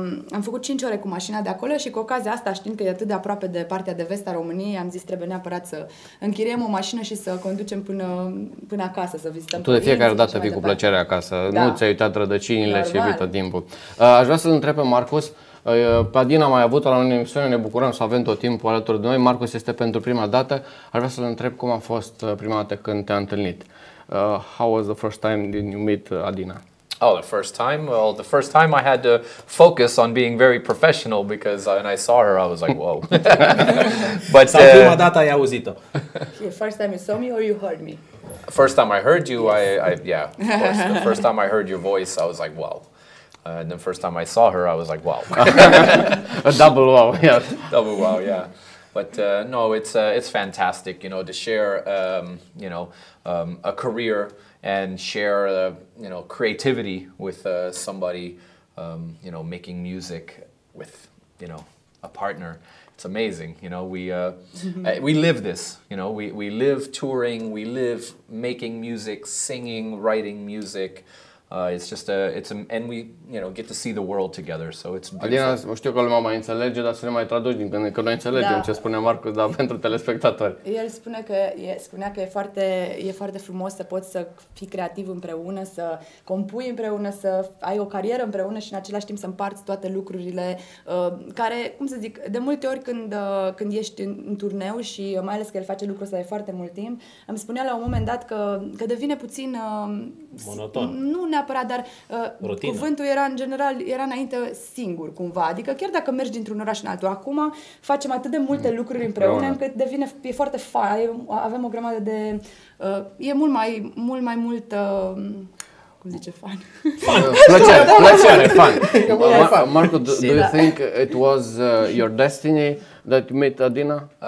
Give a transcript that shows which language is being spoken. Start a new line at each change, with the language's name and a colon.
Romanian: Am făcut 5 ore cu mașina de acolo și cu ocazia asta, știind că e atât de aproape de partea de vest a României, am zis trebuie neapărat să închiriem o mașină și să conducem până acasă, să vizităm. Tu de fiecare dată vii cu plăcere acasă, da. Nu ți-ai uitat rădăcinile și vii tot timpul. Aș vrea să-l întreb pe Marcus. Pe Adina am mai avut-o la o emisiune, ne bucurăm să avem tot timpul alături de noi. Marcus este pentru prima dată. Aș vrea să-l întreb cum a fost prima dată când te-a întâlnit.
English: How was the first time did you meet Adina? Oh, the first time? Well, the first time I had to focus on being very professional because when I saw her, I was like, whoa.
Romanian: But sau prima dată ai auzit-o?
English: First time you saw me or you heard me? First time I heard you, yeah, of course. The first time I heard your voice, I was like, wow. And the first time I saw her, I was like, wow. A double wow, yeah. Double wow, yeah. But no, it's fantastic, you know, to share, a career and share, creativity with somebody, making music with, a partner. It's amazing, you know, we live this, you know, we live touring, we live making music, singing, writing music. It's get to see the world together, so it's beautiful.
Romanian: Adina, știu că lumea mai înțelege, dar să ne mai traduci din când că noi înțelegem, da. Ce spune Marcus, dar pentru telespectatori. El spunea că e foarte frumos să poți să fii creativ împreună, să compui împreună, să ai o carieră împreună și în același timp să împarți toate lucrurile care, cum să zic, de multe ori când ești în turneu și mai ales că el face lucrul ăsta de foarte mult timp, îmi spunea la un moment dat că devine puțin monoton. Nu neapărat, dar cuvântul era în general, era înainte singur cumva, adică chiar dacă mergi dintr-un oraș în altul, acum facem atât de multe lucruri împreună încât devine, e foarte fain, avem o grămadă de, e mult mai mult, cum zice, fun. Plăcere, fun.
English: Marco, do you think it was your destiny that you met Adina?